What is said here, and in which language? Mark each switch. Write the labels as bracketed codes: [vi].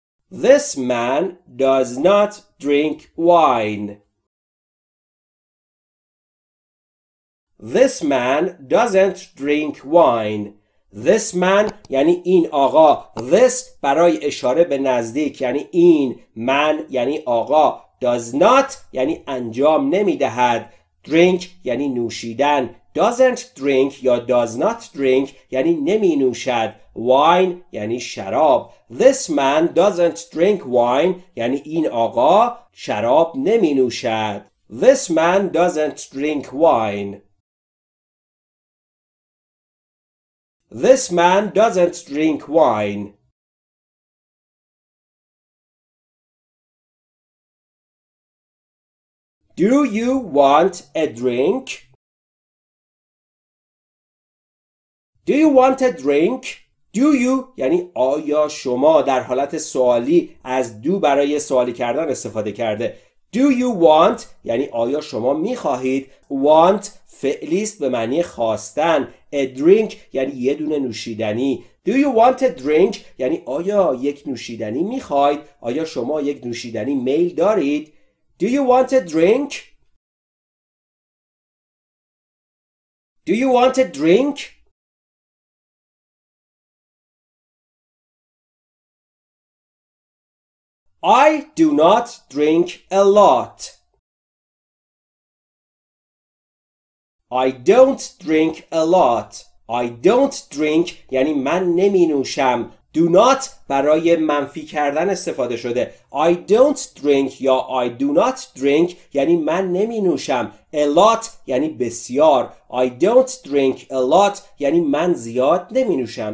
[en] This man does not drink wine. This man doesn't drink wine. This man [fa] یعنی این آقا. This برای اشاره به نزدیک یعنی این. Man یعنی آقا. [en] Does not [fa] یعنی انجام نمیدهد. drink یعنی نوشیدن. [en] doesn't drink [fa] یا [en] does not drink [fa] یعنی نمی نوشد. wine یعنی شراب. [en] this man doesn't drink wine [fa] یعنی این آقا شراب نمی نوشد. [en] this man doesn't drink wine. this man doesn't drink wine. Do you want a drink? Do you want a drink? Do you [fa] یعنی آیا شما در حالت سوالی از do برای سوالی کردن استفاده کرده. [en] Do you want [fa] یعنی آیا شما میخواهید. Want فعلی است به معنی خواستن. [en] A drink [fa] یعنی یه دونه نوشیدنی. [en] Do you want a drink [fa] یعنی آیا یک نوشیدنی میخواهید. آیا شما یک نوشیدنی میل دارید. [en] Do you want a drink? Do you want a drink? I do not drink a lot. I don't drink a lot. I don't drink [fa] یعنی من نمی نوشم. [en] Do not [fa] برای منفی کردن استفاده شده. [en] I don't drink یا I do not drink [fa] یعنی من نمی نوشم. [en] A lot [fa] یعنی بسیار. [en] I don't drink a lot [fa] یعنی من زیاد نمی نوشم.